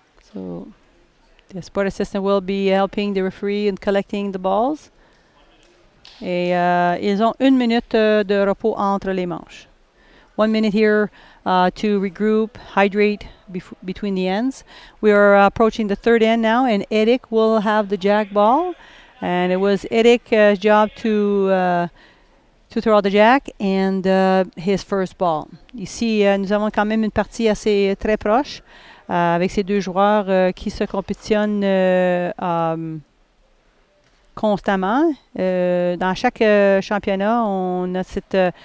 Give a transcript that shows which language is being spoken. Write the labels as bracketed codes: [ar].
[en] So the sport assistant will be helping the referee in collecting the balls. [fr] Et ils ont 1 minute de repos entre les manches. [en] 1 minute here to regroup, hydrate between the ends. We are approaching the third end now, and Éric will have the jack ball. And it was Éric's job to throw the jack and his first ball. [fr] Ici, nous avons quand même une partie assez très proche avec ces deux joueurs qui se compétitionnent constamment. Dans chaque championnat, on a cette...